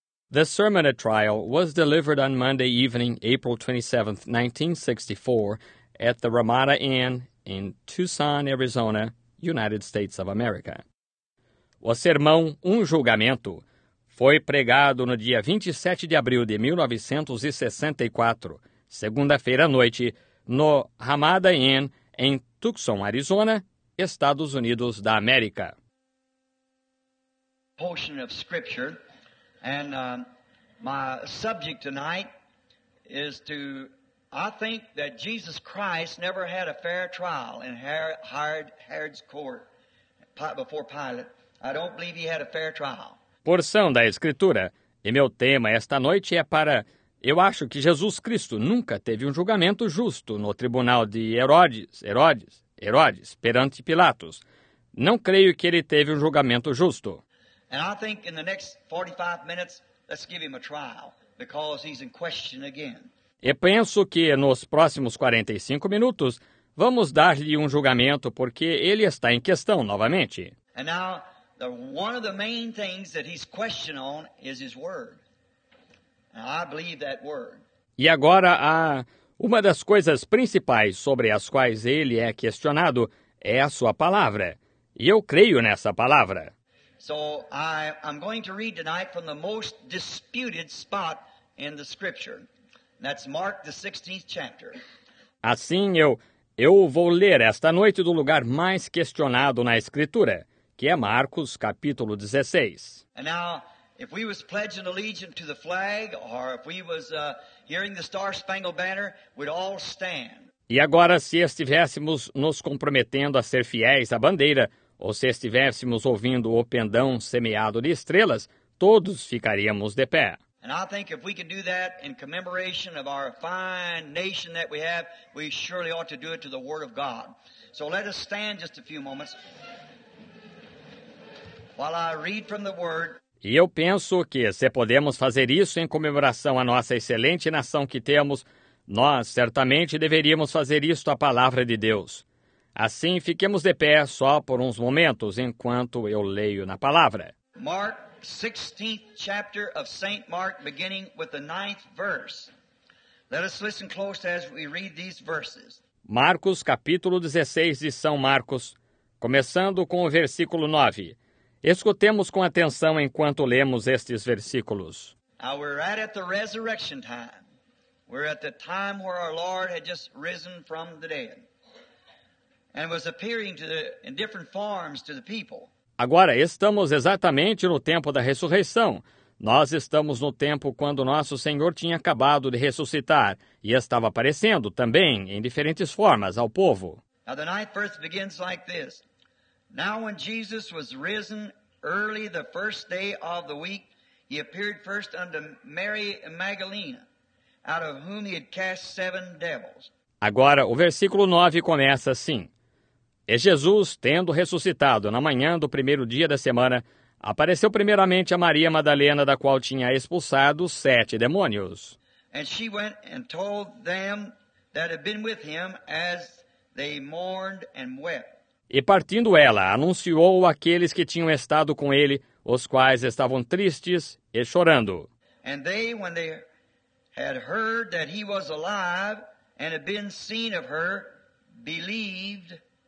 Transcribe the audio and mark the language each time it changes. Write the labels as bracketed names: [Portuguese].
[English] The sermon at trial was delivered on Monday evening, April 27, 1964, at the Ramada Inn in Tucson, Arizona, United States of America. [Portuguese] O sermão Um Julgamento foi pregado no dia 27 de abril de 1964, segunda-feira à noite, no Ramada Inn em Tucson, Arizona, Estados Unidos da América. [English] Portion of scripture. And my subject tonight is to, I think that Jesus Christ never had a fair trial in Herod's court before Pilate. I don't believe he had a fair trial. [Portuguese] Porção da Escritura. E meu tema esta noite é para, eu acho que Jesus Cristo nunca teve um julgamento justo no tribunal de Herodes, perante Pilatos. Não creio que ele teve um julgamento justo. [English] And I think in the next 45 minutes, let's give him a trial, because he's in question again. [Portuguese] E penso que nos próximos 45 minutos, vamos dar-lhe um julgamento, porque ele está em questão novamente. [English] And now, one of the main things that he's questioned on is his word. And I believe that word. [Portuguese] E agora, uma das coisas principais sobre as quais ele é questionado é a sua palavra. E eu creio nessa palavra. [English] So I'm going to read tonight from the most disputed spot in the scripture. That's Mark the 16th chapter. [Portuguese] Assim eu vou ler esta noite do lugar mais questionado na escritura, que é Marcos capítulo 16. [English] And now if we was pledging allegiance to the flag or if we was hearing the Star-Spangled Banner, we'd all stand. [Portuguese] E agora se estivéssemos nos comprometendo a ser fiéis à bandeira, ou se estivéssemos ouvindo o pendão semeado de estrelas, todos ficaríamos de pé. [English] And I think if we can do that in commemoration of our fine nation that we have, we surely ought to do it to the Word of God. So let us stand just a few moments while I read from the Word. [Portuguese] E eu penso que se podemos fazer isso em comemoração à nossa excelente nação que temos, nós certamente deveríamos fazer isto à palavra de Deus. Assim, fiquemos de pé só por uns momentos enquanto eu leio na palavra. [English] Mark, 16th chapter of St. Mark, beginning with the 9th verse. Let us listen close as we read these verses. [Portuguese] Marcos, capítulo 16 de São Marcos, começando com o versículo 9. Escutemos com atenção enquanto lemos estes versículos. [English] Now we're right at the resurrection time. We're at the time where our Lord had just risen from the dead. And was appearing to the, in different forms to the people. [Portuguese] Agora estamos exatamente no tempo da ressurreição. Nós estamos no tempo quando nosso Senhor tinha acabado de ressuscitar e estava aparecendo também em diferentes formas ao povo. [English] Now the ninth verse begins like this. Now when Jesus was risen early the first day of the week, he appeared first unto Mary Magdalene, out of whom he had cast seven devils. [Portuguese] Agora o versículo 9 começa assim. E Jesus, tendo ressuscitado na manhã do primeiro dia da semana, apareceu primeiramente a Maria Madalena, da qual tinha expulsado sete demônios. [English] And she went and told them that had been with him as they mourned and wept. [Portuguese] E partindo ela, anunciou àqueles que tinham estado com ele, os quais estavam tristes e chorando. [English] And they, when they had heard that he was alive and had been seen of her, believed.